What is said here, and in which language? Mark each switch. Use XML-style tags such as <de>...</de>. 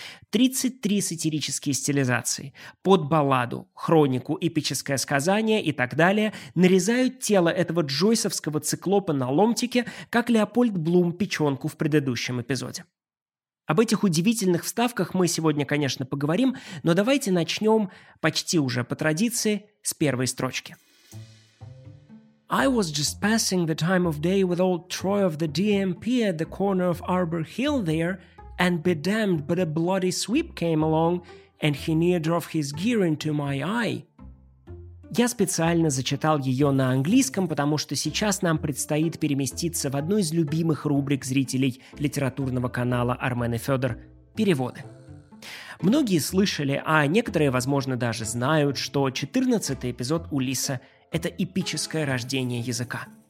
<ru>33 сатирические стилизации под балладу, хронику, эпическое сказание и так далее нарезают тело этого джойсовского циклопа на ломтике, как Леопольд Блум печенку в предыдущем эпизоде. Об этих удивительных вставках мы сегодня, конечно, поговорим, но давайте начнем почти уже по традиции с первой строчки.</ru> <en>I was just passing the time of day with old Troy of the DMP at the corner of Arbor Hill there, and be damned, but a bloody sweep came along, and he near drove his gear into my eye.</en> <ru>Я специально зачитал ее на английском, потому что сейчас нам предстоит переместиться в одну из любимых рубрик зрителей литературного канала Армен и Федор – переводы. Многие слышали, а некоторые, возможно, даже знают, что 14-й эпизод «Улисса» – это эпическое рождение языка.</ru>